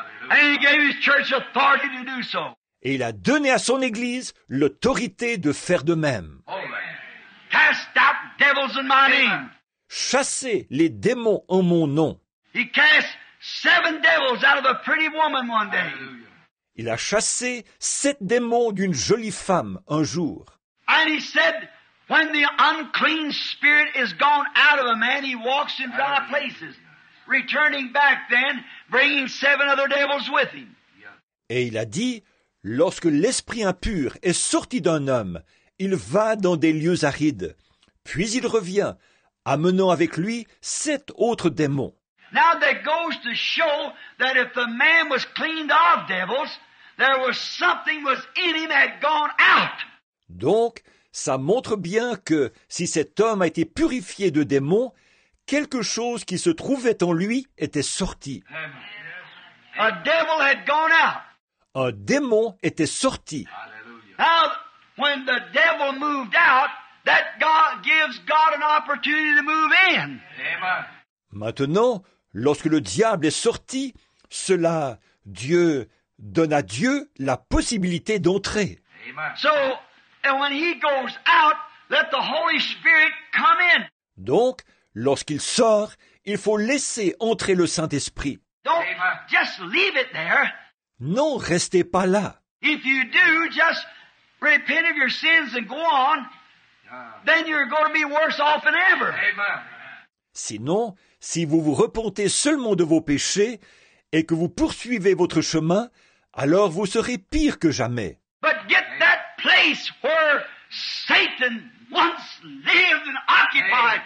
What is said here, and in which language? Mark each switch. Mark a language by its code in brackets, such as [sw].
[en] And he gave his church authority to do so. [fr] Et il a donné à son église l'autorité de faire de même. [en] Cast out devils in my name. [fr] Chassez les démons en mon nom. [en] He cast seven devils out of a pretty woman one day. [fr] Il a chassé sept démons d'une jolie femme un jour. [en] And he said, when the unclean spirit is gone out of a man, he walks in dry places. Returning back then, bringing seven other devils with him. [fr] Et il a dit, lorsque l'esprit impur est sorti d'un homme, il va dans des lieux arides. Puis il revient, amenant avec lui sept autres démons. [en] Now that goes to show that if the man was cleaned of devils, there was something was in him had gone out. [fr] Donc, ça montre bien que si cet homme a été purifié de démons, quelque chose qui se trouvait en lui était sorti. [en] A devil had gone out. [fr] Un démon était sorti. [en] Now, when the devil moved out, that God gives God an opportunity to move in. Amen. [fr] Maintenant, lorsque le diable est sorti, cela, Dieu donne à Dieu la possibilité d'entrer. Amen. [en] So, and when he goes out, let the Holy Spirit come in. [fr] Donc, lorsqu'il sort, il faut laisser entrer le Saint-Esprit. [en] Don't just leave it there. [fr] Non, restez pas là. [en] If you do, just repent of your sins and go on, then you're going to be worse off than ever. Amen. [fr] Sinon, si vous vous repentez seulement de vos péchés et que vous poursuivez votre chemin, alors vous serez pire que jamais. [en] But get that place where Satan once lived and occupied.